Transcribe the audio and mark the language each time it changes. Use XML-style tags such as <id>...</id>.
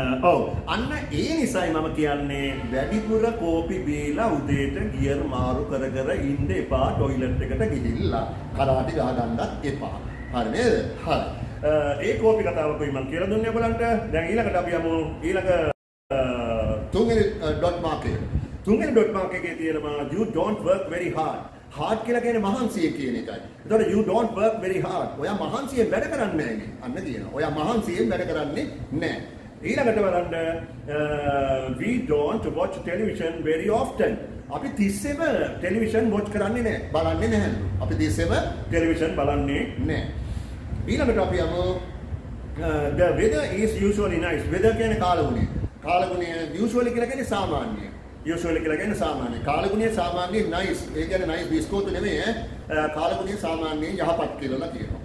<si>ඔව් අන්න ඒ නිසයි මම කියන්නේ වැඩිපුර කෝපි බීලා උදේට ගියර් මාරු කර කර ඉන්න එපා ටොයිලට් එකට ගිහිල්ලා කරාටි ගහගන්නත් එපා. හරි නේද? හරි. ඒ කෝපි කතාවකුයි මම කියලා දුන්නේ ඔයගලන්ට. දැන් ඊළඟට අපි යමු ඊළඟ තුන්වෙනි ඩොට් මාකේ. තුන්වෙනි ඩොට් මාකේකේ තියෙනවා</si> <en>you don't work very hard.</en> <si>hard කියලා කියන්නේ මහන්සිය කියන එකයි. එතකොට</si> <en>you don't work very hard.</en> <si>ඔයා මහන්සියෙන් වැඩ කරන්නේ නැහැ නේ. අන්න තියෙනවා. ඔයා මහන්සියෙන් වැඩ කරන්නේ නැහැ. ඊළඟට බලන්න</si> <en>we don't watch television very often.</en> <si>අපි තිස්සෙම ටෙලිවිෂන් වොච් කරන්නේ නැහැ. බලන්නේ නැහැ. අපි තිස්සෙම ටෙලිවිෂන් බලන්නේ නැහැ. ඊළඟට අපි යමු</si> <en>the weather is usually nice.</en> <si>weather කියන්නේ කාලගුණය. කාලගුණය usually කියලා කියන්නේ සාමාන්‍යය. usually කියලා කියන්නේ සාමාන්‍යය. කාලගුණය සාමාන්‍ය nice. ඒ කියන්නේ nice බිස්කෝත් නෙමෙයි. කාලගුණය සාමාන්‍ය යහපත් කියලා කියනවා.</si>